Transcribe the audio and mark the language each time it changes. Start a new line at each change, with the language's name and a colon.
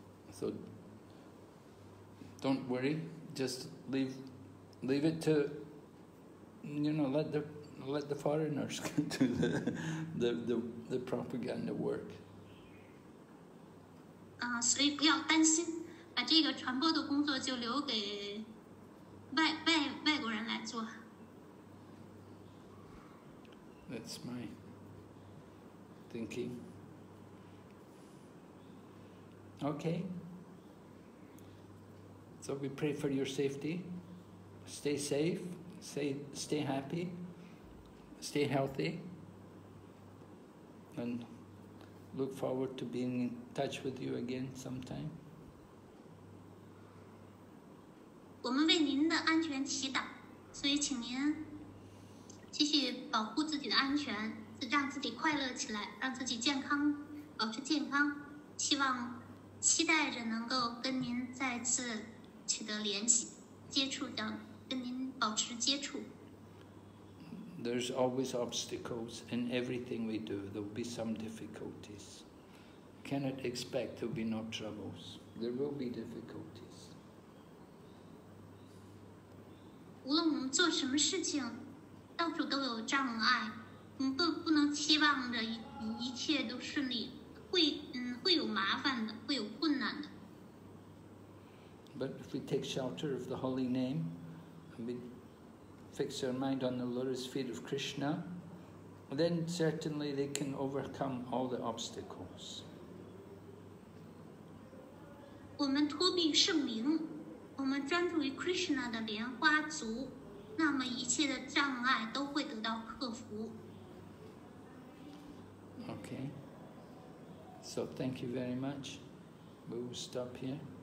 English: So, don't worry, just leave it to, you know, let the foreigners do the propaganda work.
Chinese: 所以不要担心，把这个传播的工作就留给外国人来做。
English: That's my thinking. Okay. So we pray for your safety. Stay safe. Stay happy. Stay healthy. And look forward to being in touch with you again sometime.
Chinese: 我们为您的安全祈祷，所以请您继续保护自己的安全，让自己快乐起来，让自己健康，保持健康。希望期待着能够跟您再次取得联系接触，让跟您保持接触。
English: There's always obstacles in everything we do. There will be some difficulties. Cannot expect there will be no troubles. There will be difficulties.
Chinese: 无论我们做什么事情，到处都有障碍。我们不能期望着一切都顺利，会有麻烦的，会有困难的。
English: But if we take shelter of the holy name, fix our mind on the lotus feet of Krishna, then certainly they can overcome all the obstacles.
Chinese: 我们托庇圣灵，我们专注于 Krishna 的莲花足，那么一切的障碍都会得到克服。
English: Okay. So thank you very much. We will stop here.